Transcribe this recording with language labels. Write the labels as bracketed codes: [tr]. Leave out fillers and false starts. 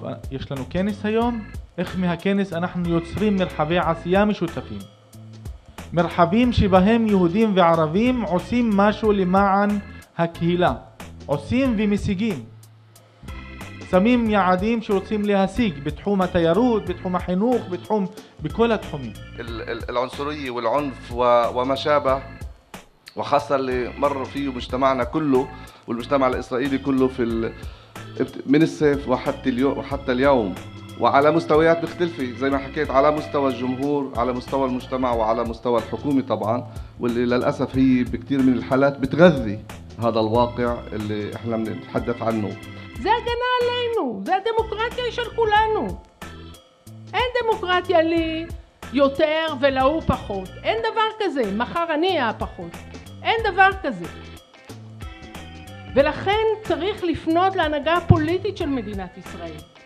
[he] יש לנו כנס היום, איך מהכנס אנחנו יוצרים מרחבי עשייה משותפים. מרחבים שבהם יהודים וערבים עושים משהו למען הקהילה. עושים ומשיגים. שמים יעדים שרוצים להשיג בתחום התיירות, בתחום החינוך, בתחום, בכל התחומים. [ar] العنصرية والعنف وما شابه وخاصة اللي مر فيه مجتمعنا كله والمجتمع الإسرائيلي كله في من الصيف وحتى اليوم وعلى مستويات مختلفة زي ما حكيت على مستوى الجمهور على مستوى المجتمع وعلى مستوى الحكومة طبعا واللي للأسف هي بكثير من الحالات بتغذي هذا الواقع اللي احنا بنتحدث عنه. [he] זה הגנה עלינו, זה הדמוקרטיה של כולנו. אין דמוקרטיה לי יותר ולהוא פחות. אין דבר כזה, מחר אני אהיה פחות. אין דבר כזה. ולכן צריך לפנות להנהגה הפוליטית של מדינת ישראל.